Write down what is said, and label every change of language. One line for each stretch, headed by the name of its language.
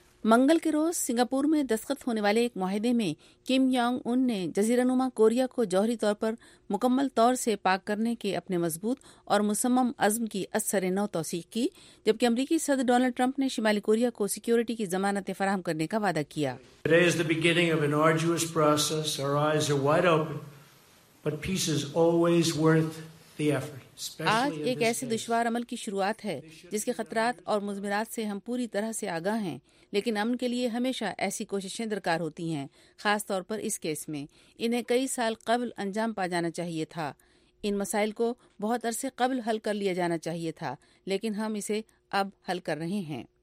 Urdu: منگل کے روز سنگاپور میں دستخط ہونے والے ایک معاہدے میں کم جونگ ان نے جزیرہ نما کوریا کو جوہری طور پر مکمل طور سے پاک کرنے کے اپنے مضبوط اور مصمم عزم کی اثر نو توثیق کی، جبکہ امریکی صدر ڈونلڈ ٹرمپ نے شمالی کوریا کو سیکیورٹی کی ضمانتیں فراہم کرنے کا وعدہ کیا۔
English: Today is the beginning of an arduous process. Our eyes are wide open, but peace is always worth the effort.
Urdu: آج ایک ایسے دشوار عمل کی شروعات ہے جس کے خطرات اور مضمرات سے ہم پوری طرح سے آگاہ ہیں، لیکن امن کے لیے ہمیشہ ایسی کوششیں درکار ہوتی ہیں، خاص طور پر اس کیس میں۔ انہیں کئی سال قبل انجام پا جانا چاہیے تھا، ان مسائل کو بہت عرصے قبل حل کر لیا جانا چاہیے تھا، لیکن ہم اسے اب حل کر رہے ہیں۔